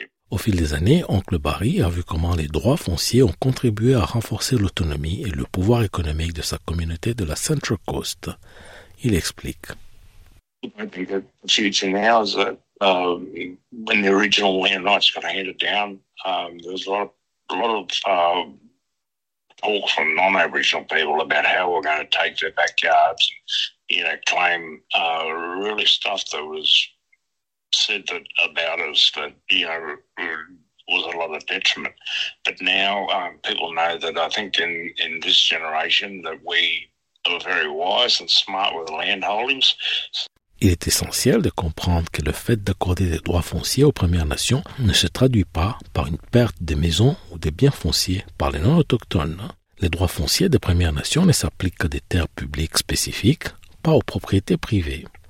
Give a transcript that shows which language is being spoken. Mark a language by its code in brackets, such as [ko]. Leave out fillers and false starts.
[fr] Au fil des années, Oncle Barry a vu comment les droits fonciers ont contribué à renforcer l'autonomie et le pouvoir économique de sa communauté de la Central Coast. Il explique. [en] I think the future now is that when the original land rights got handed down, there's a lot of talk from non-Aboriginal people about how we're going to take their backyards, claim really stuff that was said that about us that was a lot of detriment. But now people know that I think in this generation that we are very wise and smart with land holdings. [fr] Il est essentiel de comprendre que le fait d'accorder des droits fonciers aux Premières Nations ne se traduit pas par une perte des maisons ou des biens fonciers par les non-autochtones. Les droits fonciers des Premières Nations ne s'appliquent qu'à des terres publiques spécifiques, pas aux propriétés privées.